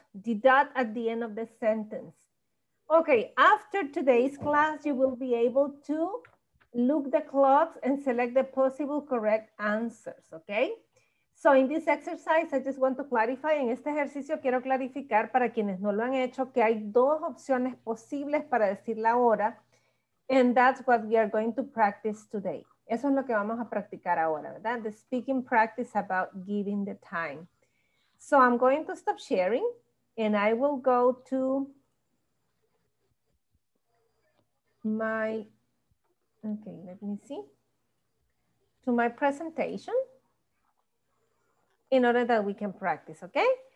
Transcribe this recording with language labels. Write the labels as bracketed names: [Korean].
[English] The dot at the end of the sentence. Ok, after today's class, you will be able to look the clocks and select the possible correct answers. Ok, so in this exercise, I just want to clarify, [Spanish] en este ejercicio quiero clarificar para quienes no lo han hecho, que hay dos opciones posibles para decir la hora. [English] And that's what we are going to practice today. [Spanish] Eso es lo que vamos a practicar ahora, ¿verdad? [English] The speaking practice about giving the time. So I'm going to stop sharing and I will go to my, okay, let me see, to my presentation in order that we can practice, okay?